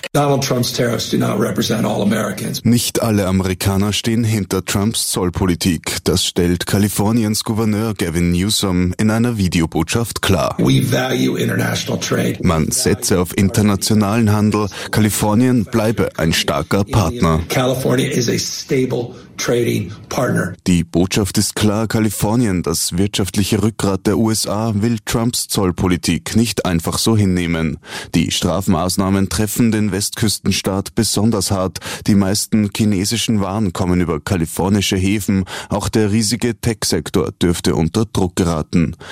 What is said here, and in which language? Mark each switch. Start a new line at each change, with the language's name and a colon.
English: Donald Trump's tariffs do not represent all Americans.
German: Nicht alle Amerikaner stehen hinter Trumps Zollpolitik. Das stellt Kaliforniens Gouverneur Gavin Newsom in einer Videobotschaft klar.
English: We value international trade.
German: Man setze auf internationalen Handel. Kalifornien bleibe ein starker Partner.
English: California is a stable trading partner.
German: Die Botschaft ist klar. Kalifornien, das wirtschaftliche Rückgrat der USA, will Trumps Zollpolitik nicht einfach so hinnehmen. Die Strafmaßnahmen treffen den Westküstenstaat besonders hart. Die meisten chinesischen Waren kommen über kalifornische Häfen. Auch der riesige Tech-Sektor dürfte unter Druck geraten.